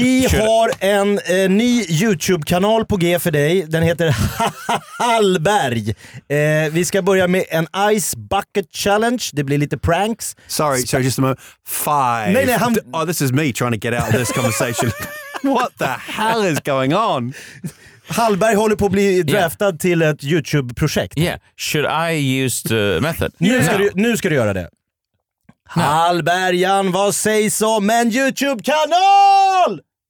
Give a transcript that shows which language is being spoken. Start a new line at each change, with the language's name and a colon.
Swedish: Har en ny YouTube-kanal på G för dig. Den heter Hallberg. Vi ska börja med en ice bucket challenge. Det blir lite pranks.
English: Sorry, just a moment. 5.
Swedish: Nej, han...
English: Oh, this is me trying to get out of this conversation. What the hell is going on?
Swedish: Hallberg håller på att bli draftad till ett YouTube-projekt.
English: Yeah, should I use the method?
Swedish: Nu ska du göra det. Hallbergan, vad sägs om en YouTube-kanal?